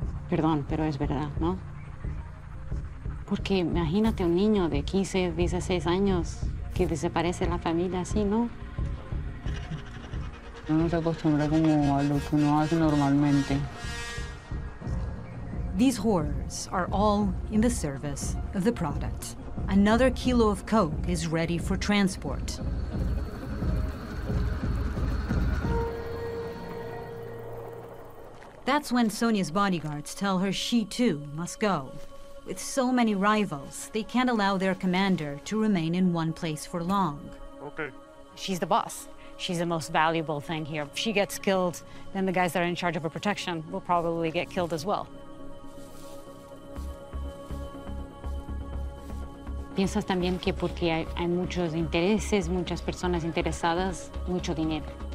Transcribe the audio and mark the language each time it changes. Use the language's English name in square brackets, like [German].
[Spanish] Perdón, pero es verdad, ¿no? Porque imagínate un niño de 15, 16 años que desaparece la familia así, ¿no? Uno se acostumbra como a lo que uno hace normalmente. [English] These horrors are all in the service of the product. Another kilo of coke is ready for transport. That's when Sonia's bodyguards tell her she too must go. With so many rivals, they can't allow their commander to remain in one place for long. Okay. She's the boss. She's the most valuable thing here. If she gets killed, then the guys that are in charge of her protection will probably get killed as well. [Spanish] ¿Piensas también que porque hay muchos intereses, muchas personas interesadas, mucho dinero?